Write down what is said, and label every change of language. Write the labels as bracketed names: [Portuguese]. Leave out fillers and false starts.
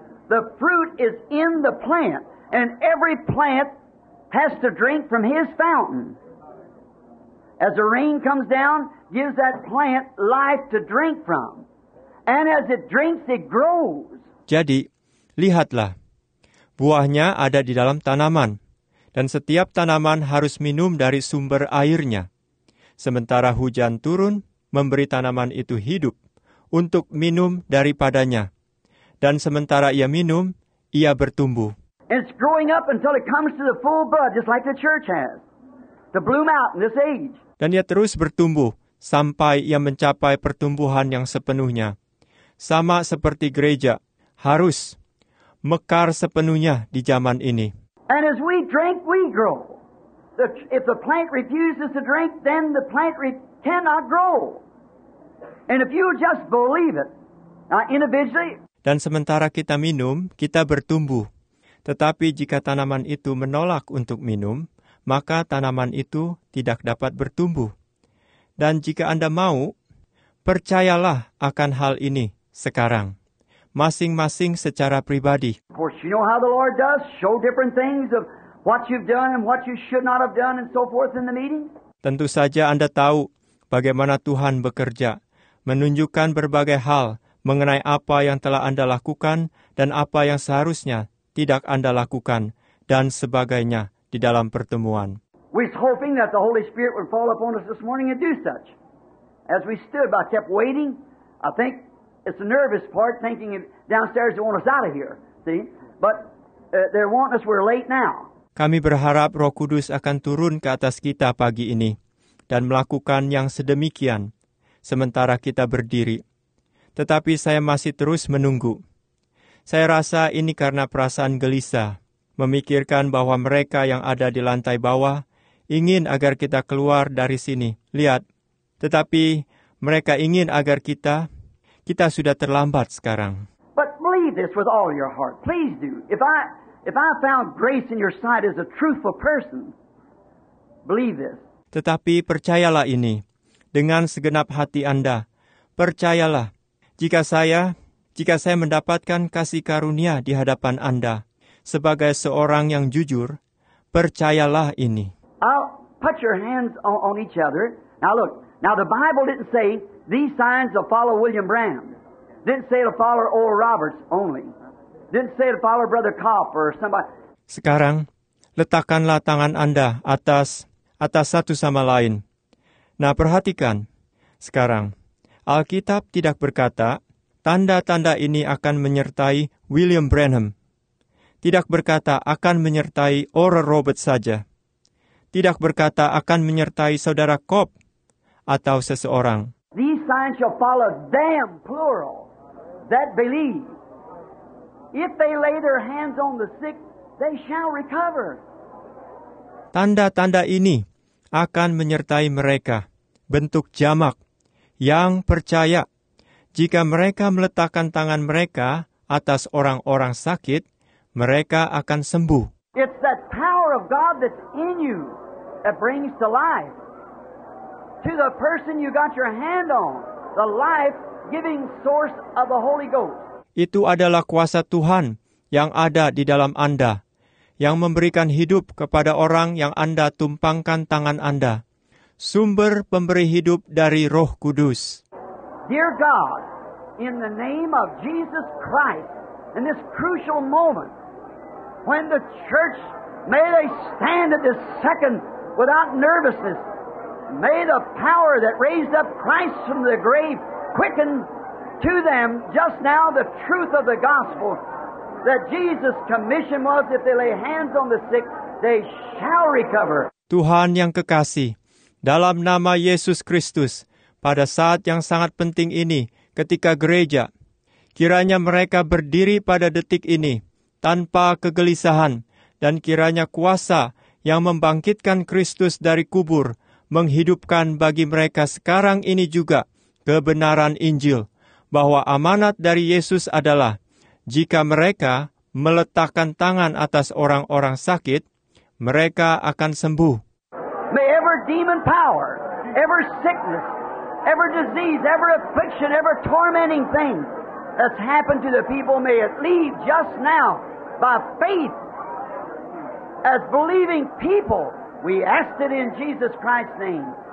[English] The fruit is in the plant, and every plant has to drink from his fountain. As the rain comes down, gives that plant life to drink from. And as it drinks, it grows. [Indonesian] Jadi, lihatlah. Buahnya ada di dalam tanaman, dan setiap tanaman harus minum dari sumber airnya. Sementara hujan turun, memberi tanaman itu hidup untuk minum daripadanya. Dan sementara ia minum, ia bertumbuh. [English] It's growing up until it comes to the full bud, just like the church has, to bloom out in this age. [Indonesian] Dan ia terus bertumbuh sampai ia mencapai pertumbuhan yang sepenuhnya. Sama seperti gereja, harus mekar sepenuhnya di zaman ini. [English] And as we drink, we grow. If the plant refuses to drink, then the plant cannot grow. And if you just believe it, now individually. [Indonesian] Dan sementara kita minum, kita bertumbuh. Tetapi jika tanaman itu menolak untuk minum, maka tanaman itu tidak dapat bertumbuh. Dan jika Anda mau, percayalah akan hal ini sekarang, masing-masing secara pribadi. [English] Of course, you know how the Lord does, show different things of what you've done and what you should not have done and so forth in the meeting. [Indonesian] Tentu saja Anda tahu bagaimana Tuhan bekerja, menunjukkan berbagai hal mengenai apa yang telah Anda lakukan dan apa yang seharusnya tidak Anda lakukan dan sebagainya di dalam pertemuan. [English] We was hoping that the Holy Spirit would fall upon us this morning and do such. As we stood, I kept waiting. I think it's the nervous part, thinking downstairs they want us out of here. See? But they're wanting us, we're late now. [Indonesian] Kami berharap Roh Kudus akan turun ke atas kita pagi ini dan melakukan yang sedemikian sementara kita berdiri. Tetapi saya masih terus menunggu. Saya rasa ini karena perasaan gelisah, memikirkan bahwa mereka yang ada di lantai bawah ingin agar kita keluar dari sini. Lihat. Tetapi mereka ingin agar kita sudah terlambat sekarang. [English] But believe this with all your heart. Please do. If I found grace in your sight as a truthful person, believe this. [Indonesian] Tetapi percayalah ini dengan segenap hati Anda. Percayalah, jika saya mendapatkan kasih karunia di hadapan Anda sebagai seorang yang jujur, percayalah ini. [English] I'll put your hands on each other. Now look, now the Bible didn't say these signs will follow William Branham. Didn't say it'll follow Oral Roberts only. Didn't say it'll follow Brother Kopp or somebody. [Indonesian] Sekarang, letakkanlah tangan Anda atas satu sama lain. Nah, perhatikan. Sekarang, Alkitab tidak berkata tanda-tanda ini akan menyertai William Branham. Tidak berkata akan menyertai Oral Roberts saja. Tidak berkata akan menyertai Saudara Kopp atau seseorang. [English] These signs shall follow them, plural, that believe. If they lay their hands on the sick, they shall recover. [Indonesian] Tanda-tanda ini akan menyertai mereka, bentuk jamak, yang percaya. Jika mereka meletakkan tangan mereka atas orang-orang sakit, mereka akan sembuh. [English] It's that power of God that's in you that brings to life. To the person you got your hand on, the life-giving source of the Holy Ghost. [Indonesian] Itu adalah kuasa Tuhan yang ada di dalam Anda, yang memberikan hidup kepada orang yang Anda tumpangkan tangan Anda. Sumber pemberi hidup dari Roh Kudus. [English] Dear God, in the name of Jesus Christ, in this crucial moment, when the church, may they stand at this second without nervousness, may the power that raised up Christ from the grave quicken to them just now the truth of the gospel, that Jesus' commission was if they lay hands on the sick, they shall recover. [Indonesian] Tuhan yang kekasih, dalam nama Yesus Kristus, pada saat yang sangat penting ini, ketika gereja, kiranya mereka berdiri pada detik ini, tanpa kegelisahan, dan kiranya kuasa yang membangkitkan Kristus dari kubur, menghidupkan bagi mereka sekarang ini juga, kebenaran Injil, bahwa amanat dari Yesus adalah, jika mereka meletakkan tangan atas orang-orang sakit, mereka akan sembuh. [English] May every demon power, every sickness, every disease, every affliction, every tormenting thing that's happened to the people, may it leave just now by faith. As believing people, we ask it in Jesus Christ's name.